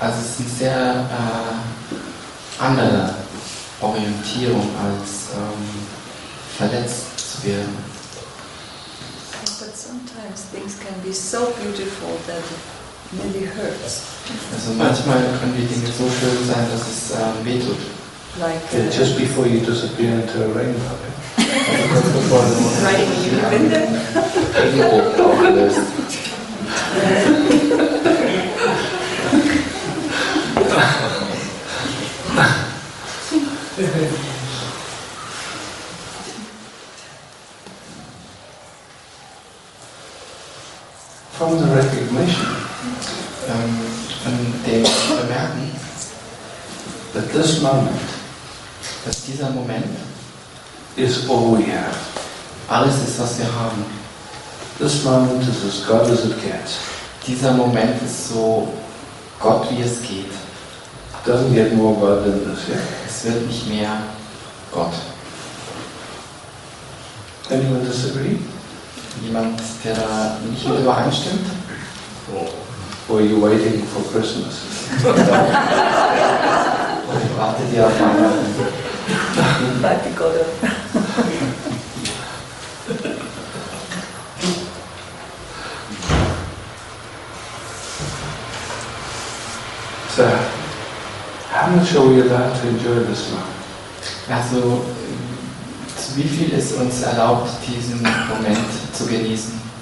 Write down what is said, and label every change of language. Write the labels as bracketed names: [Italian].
[German] Also es ist eine sehr andere Orientierung als verletzt zu werden. [English] But sometimes things can be so beautiful that it really hurts. [German] Also manchmal können die Dinge so schön sein, dass es wehtut. [English] Like yeah, just before you disappear into a rainbow. Right, you've been there. From the recognition, [German] von dem Bemerken, [English] that this moment, [German] dass dieser Moment, [English] is all we have. [German] Alles ist, was wir haben. [English] This moment is as God as it gets. [German] Dieser Moment ist so Gott, wie es geht. [English] Doesn't get more God than this, yeah? [German] Es wird nicht mehr Gott. [English] Anyone disagree? [German] Jemand, der da nicht mit übereinstimmt? [English] Or are you waiting for Christmas? [German] Oder wartet ihr auf Weihnachten? Warte Gott. [English] So, how much are we allowed to enjoy this moment? [German] Also, wie viel ist uns erlaubt, diesen Moment zu genießen?